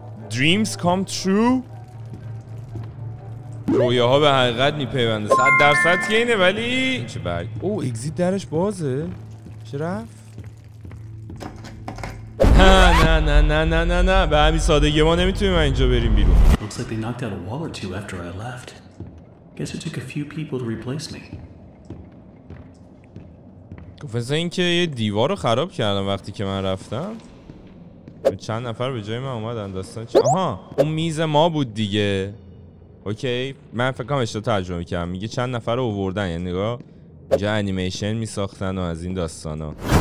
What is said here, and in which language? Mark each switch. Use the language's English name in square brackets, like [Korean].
[English] Dreams come true. [Persian] رویاه ها به حقیقت میپیونده. 100% که اینه ولی چه برگ. او اگزیت درش بازه. چه رفت؟ نه نه نه نه نه نه نه به همین سادگی ما نمیتونیم اینجا بریم بیرون. [English] Looks like they knocked out a wall or two after I left. Guess it took a few people to replace me. [Persian] گفت این که یه دیوار رو خراب کردم وقتی که من رفتم. چند نفر به جای من اومدن داستان چه؟ آها اون میز ما بود دیگه. اوکی من فکر کنم اشتباه ترجمه کردم. میگه چند نفر رو آوردن، یعنی نگاه اینجا انیمیشن میساختن و از این داستانا.